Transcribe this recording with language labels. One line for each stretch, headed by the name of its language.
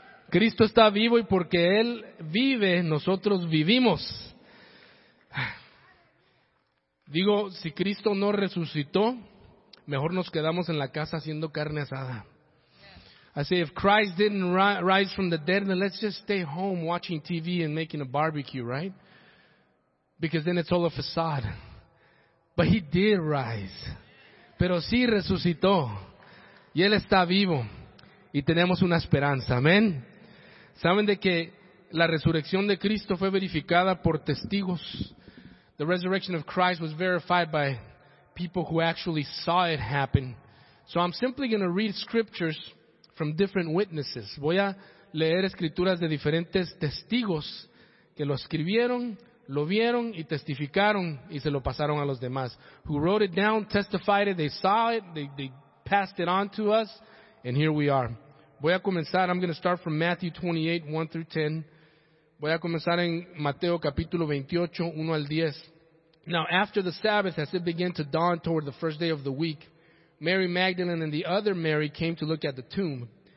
Spanish: Cristo está vivo y porque él vive, nosotros vivimos. Digo, si Cristo no resucitó, mejor nos quedamos en la casa haciendo carne asada.
English: I say, if Christ didn't rise from the dead, then let's just stay home watching TV and making a barbecue, right? Because then it's all a facade. But he did rise.
Spanish: Pero sí resucitó. Y él está vivo. Y tenemos una esperanza. Amén. ¿Saben de que la resurrección de Cristo fue verificada por testigos?
English: The resurrection of Christ was verified by people who actually saw it happen. So I'm simply going to read scriptures from different witnesses.
Spanish: Voy a leer escrituras de diferentes testigos que lo escribieron, lo vieron y testificaron y se lo pasaron a los demás.
English: Who wrote it down, testified it, they saw it, they passed it on to us, and here we are.
Spanish: Voy a comenzar,
English: I'm going to start from Matthew 28, 1 through 10.
Spanish: Voy a comenzar en Mateo capítulo 28, 1 al 10.
English: Now, after the Sabbath, as it began to dawn toward the first day of the week, Mary Magdalene and the other Mary came to look at the tomb.